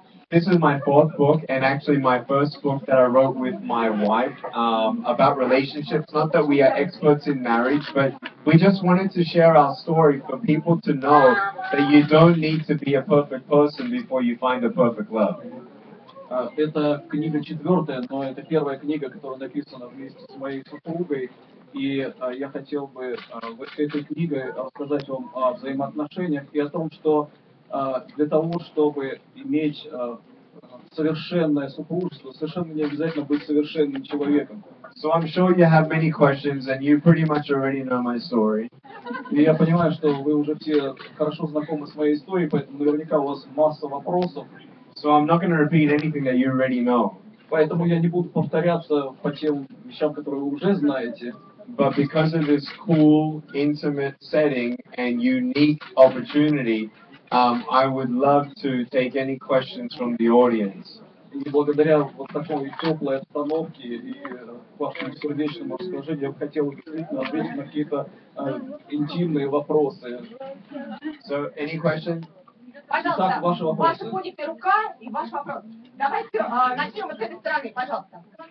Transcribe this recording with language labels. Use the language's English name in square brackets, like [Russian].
[English] This is my fourth book, and actually my first book that I wrote with my wife about relationships. Not that we are experts in marriage, but we just wanted to share our story for people to know that you don't need to be a perfect person before you find a perfect love. [Russian] Это книга четвертая, но это первая книга, которая написана вместе с моей супругой. И я хотел бы в этой книге рассказать вам о взаимоотношениях и о том, что для того, чтобы иметь совершенное супружество, совершенно не обязательно быть совершенным человеком. [English] So I'm sure you have many questions, and you pretty much already know my story. [Russian] И я понимаю, что вы уже все хорошо знакомы с моей историей, поэтому наверняка у вас масса вопросов. [English] So I'm not going to repeat anything that you already know. [Russian] Поэтому я не буду повторяться по тем вещам, которые вы уже знаете. [English] But because of this cool, intimate setting and unique opportunity, I would love to take any questions from the audience. [Russian] И благодаря вот такой теплой обстановке и вашему сердечному расположению, я бы хотел действительно ответить на какие-то интимные вопросы. [English] So, any questions? [Russian] Пожалуйста. Итак, ваши вопросы. Ваша будет рука и ваш вопрос. Давайте начнем с этой стороны, пожалуйста.